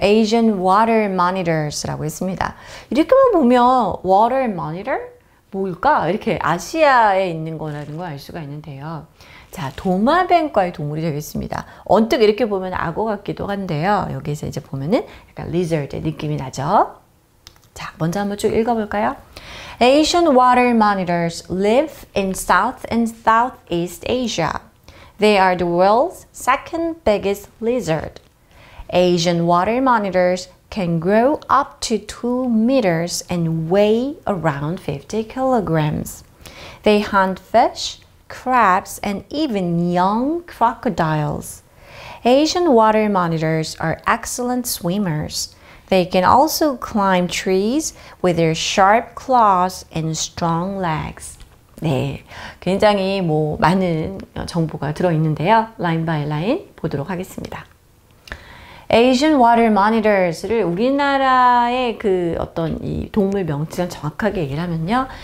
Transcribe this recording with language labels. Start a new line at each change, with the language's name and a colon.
Korean: Asian water monitors라고 있습니다. 이렇게만 보면 water monitor 뭘까? 이렇게 아시아에 있는 거라는 걸알 수가 있는데요. 자, 도마뱀과의 동물이 되겠습니다. 언뜻 이렇게 보면 악어 같기도 한데요. 여기서 이제 보면은 약간 lizard의 느낌이 나죠. 자, 먼저 한번 쭉 읽어볼까요?
English: Asian water monitors live in South and Southeast Asia. They are the world's second biggest lizard. Asian water monitors can grow up to 2 meters and weigh around 50 kilograms. They hunt fish, crabs, and even young crocodiles. Asian water monitors are excellent swimmers. They can also climb trees with their sharp claws and strong legs.
Korean: 네, 굉장히 많은 정보가 들어있는데요. 라인 바이 라인 보도록 하겠습니다. Asian water monitors를 우리나라의 그 어떤 이 동물 명칭을 정확하게 얘기를 하면요.